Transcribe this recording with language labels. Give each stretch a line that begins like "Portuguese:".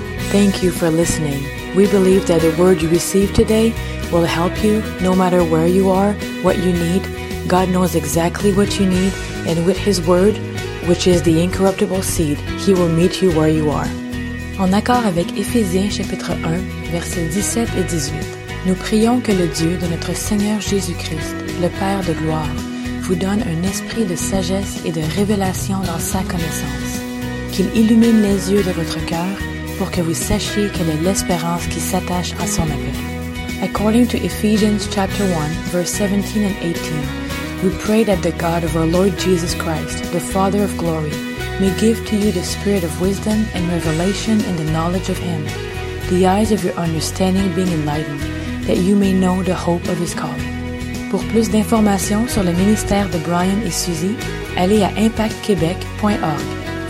English: Thank you for listening. We believe that the word you received today will help you, no matter where you are, what you need. God knows exactly what you need, and with his word, which is the incorruptible seed, he will meet you where you are.
French: En accord avec Éphésiens chapitre 1, versets 17 et 18, nous prions que le Dieu de notre Seigneur Jésus-Christ, le Père de gloire, vous donne un esprit de sagesse et de révélation dans sa connaissance, qu'il illumine les yeux de votre cœur pour que vous sachiez quelle est l'espérance qui s'attache à son appel.
English: According to Ephesians chapter 1, verse 17 and 18, we pray that the God of our Lord Jesus Christ, the Father of glory, may give to you the spirit of wisdom and revelation in the knowledge of Him, the eyes of your understanding being enlightened, that you may know the hope of His calling.
French: Pour plus d'informations sur le ministère de Brian et Suzy, allez à impactquebec.org.